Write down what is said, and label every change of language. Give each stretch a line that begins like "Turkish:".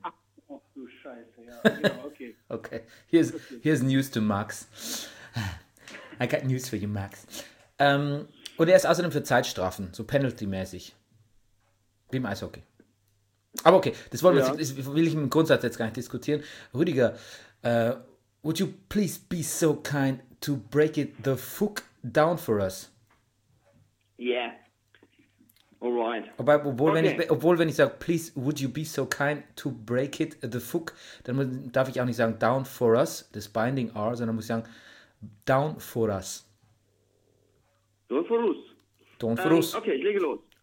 German: Ach, ach du Scheiße, ja, genau, okay. Okay, Verstehe. hier ist
English: News to Max. I got news for you, Max.
German: Und er ist außerdem für Zeitstrafen, so penalty-mäßig. Wie im Eishockey. Aber okay, das wollen wir Ja. jetzt, das will ich im Grundsatz jetzt gar nicht diskutieren.
English: Rüdiger, would you please be so kind to break it the fuck down for us? Yeah. Alright.
German: Obwohl, Okay. wenn ich sage,
English: please, would you be so kind to break it the fuck,
German: dann darf ich auch nicht sagen
English: down for us,
German: das binding R, sondern muss ich sagen down for us.
English: Don't for us. Down for us.
German: Okay, ich lege los.